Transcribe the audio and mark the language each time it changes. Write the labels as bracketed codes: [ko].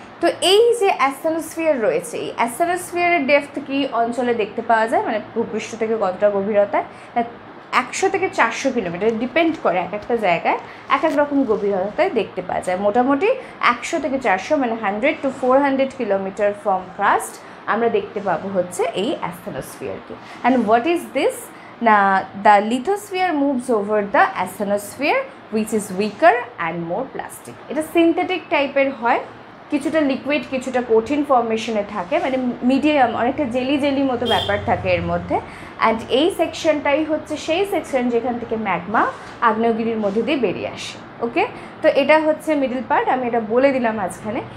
[bn] তো এই যে অ্যাস্থেনোস্ফিয়ার রয়েছে, এই অ্যাস্থেনোস্ফিয়ারের ডেপথ কী অঞ্চলে দেখতে পাওয়া যায়, মানে ভূপৃষ্ঠ থেকে কতটা গভীরতায়, 100-400 কিলোমিটার, ডিপেন্ড করে এক একটা জায়গায় এক এক রকম গভীরতায় দেখতে পাওয়া যায়। মোটামুটি 100-400, মানে 100-400 কিলোমিটার ফ্রম ক্রাস্ট আমরা দেখতে পাবো হচ্ছে এই অ্যাস্থেনোস্ফিয়ারকে। [en] And what is this? Now, the lithosphere moves over the asthenosphere, which is weaker and more plastic. It is synthetic type [bn] er hoy. কিছুটা লিকুইড কিছুটা কঠিন ফর্মেশনে থাকে, মানে মিডিয়াম, অনেকটা জেলি জেলি মতো ব্যাপার থাকে এর মধ্যে। অ্যান্ড এই সেকশনটাই হচ্ছে সেই সেকশন যেখান থেকে ম্যাগমা আগ্নেয়গিরির মধ্যে দিয়ে বেরিয়ে আসে। ওকে, তো এটা হচ্ছে মিডল পার্ট, আমি এটা বলে দিলাম মাঝখানে।